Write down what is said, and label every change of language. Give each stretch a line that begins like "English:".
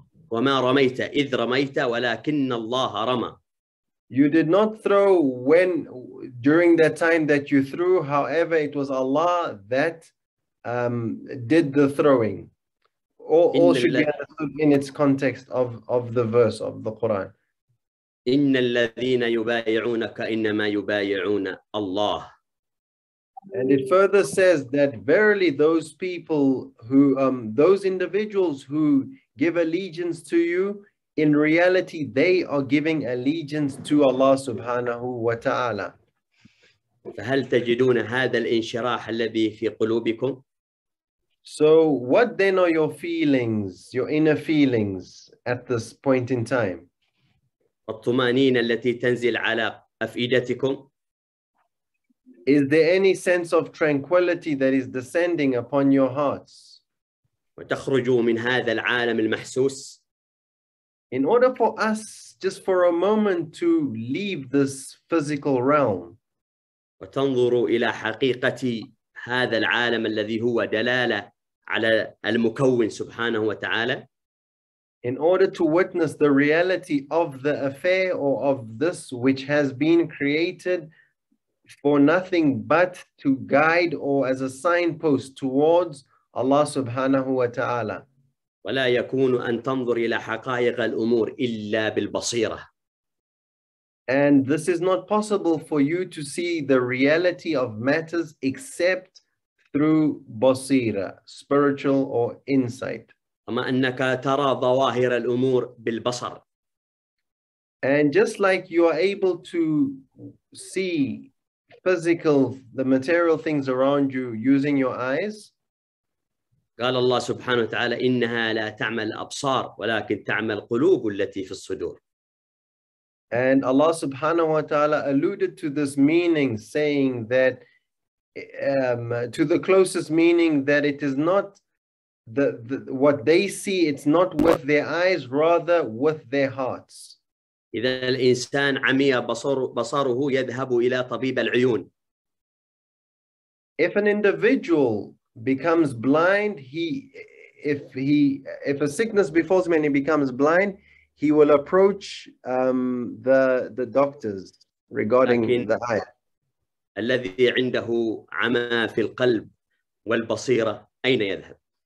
Arabic: وما رميت إذ رميت ولكن الله رمى.
English: You did not throw when during that time that you threw, however, it was Allah that did the throwing. All should be understood in its context of the verse of the Quran.
Arabic: إن الذين يبايعونك إنما يبايعون الله.
English: And it further says that verily those people who those individuals who give allegiance to you, in reality, they are giving allegiance to Allah subhanahu wa ta'ala.
Arabic: فهل تجدون هذا الانشراح الذي في قلوبكم؟
English: So what then are your feelings, your inner feelings at this point in time?
Arabic: الطمأنينة التي تنزل على أفئدتكم.
English: Is there any sense of tranquility that is descending upon your hearts?
Arabic: وتخرجوا من هذا العالم المحسوس.
English: In order for us, just for a moment, to leave this physical realm.
Arabic: وتنظروا إلى حقيقة هذا العالم الذي هو دلالة على المكون سبحانه وتعالى.
English: In order to witness the reality of the affair or of this which has been created for nothing but to guide or as a signpost towards Allah subhanahu wa ta'ala.
Arabic: ولا يكون أن تنظر إلى حقائق الأمور إلا بالبصيرة.
English: And this is not possible for you to see the reality of matters except through بصيرة, spiritual or insight.
Arabic: أما أنك ترى ظواهر الأمور بالبصر.
English: And just like you are able to see physical, the material things around you using your eyes.
Arabic: قال الله سبحانه وتعالى إنها لا تعمل أبصار ولكن تعمل قلوب التي في الصدور.
English: And Allah subhanahu wa ta'ala alluded to this meaning saying that to the closest meaning that it is not the what they see, it's not with their eyes, rather with their hearts.
Arabic: إذا الإنسان عمي بصره يذهب إلى طبيب العيون.
English: If an individual becomes blind, if a sickness befalls him and he becomes blind, he will approach the doctors regarding the eye.
Arabic: الذي عنده عمى في القلب والبصيرة أين يذهب؟